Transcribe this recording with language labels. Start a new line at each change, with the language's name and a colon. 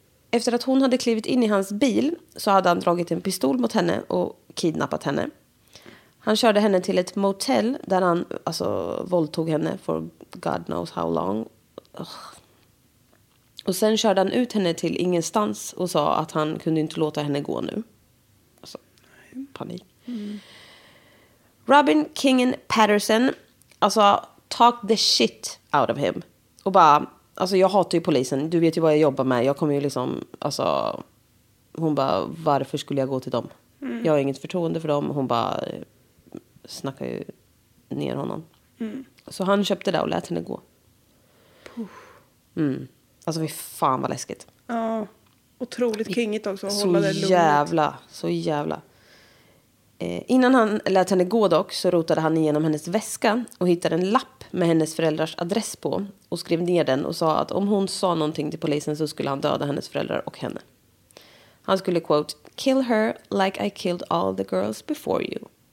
Swedish: Efter att hon hade klivit in i hans bil så hade han dragit en pistol mot henne och kidnappat henne. Han körde henne till ett motell där han alltså våldtog henne
English: for God knows how long.
Swedish: Ugh. Och sen körde han ut henne till ingenstans och sa att han kunde inte låta henne gå nu. Alltså, panik. Mm.
English: Robin Kingen Patterson, alltså, talk the shit out of him.
Swedish: Och bara, alltså, jag hatar ju polisen. Du vet ju vad jag jobbar med. Jag kommer ju liksom, alltså, hon bara, varför skulle jag gå till dem? Mm. Jag har inget förtroende för dem. Hon bara snackar ju ner honom. Mm. Så han köpte det och lät henne gå. Puh. Mm. Alltså, fan vad läskigt. Ja, otroligt kingigt också. Så jävla, innan han lät henne gå dock så rotade han igenom hennes väska och hittade en lapp med hennes föräldrars adress på och skrev ner den och sa att om hon sa någonting till polisen så skulle han döda hennes föräldrar och henne. Han skulle,
English: quote, kill her like I killed all the girls before you.